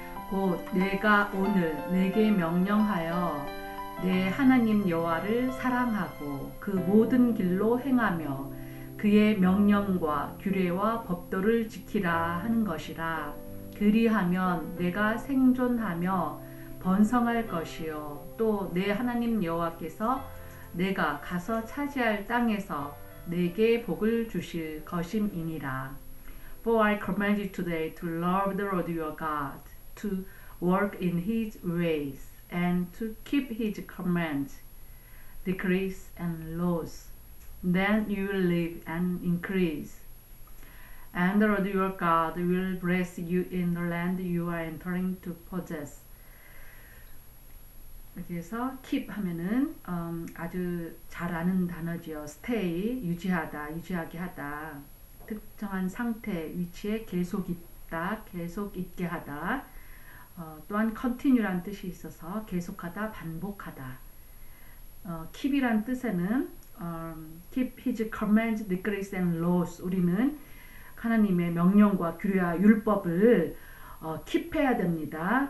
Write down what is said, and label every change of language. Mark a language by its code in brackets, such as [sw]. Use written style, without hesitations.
[ko] 곧 내가 오늘 내게 명령하여 내 하나님 여호와를 사랑하고 그 모든 길로 행하며 그의 명령과 규례와 법도를 지키라 하는 것이라. 그리하면 내가 생존하며 번성할 것이요 또 내 하나님 여호와께서 내가 가서 차지할 땅에서 내게 복을 주실 것임이니라. [en] For I command you today to love the Lord your God, to walk in His ways, and to keep His commands, decrees, and laws. Then you will live and increase. And the Lord your God will bless you in the land you are entering to possess. [ko] 이렇게 해서 keep 하면은 아주 잘 아는 단어죠. stay, 유지하다, 유지하게 하다. 특정한 상태, 위치에 계속 있다, 계속 있게 하다. 또한 continue란 뜻이 있어서 계속하다, 반복하다. keep이란 뜻에는 [en] keep his commands, decrees and laws. [ko] 우리는 하나님의 명령과 규례와 율법을 keep해야 됩니다.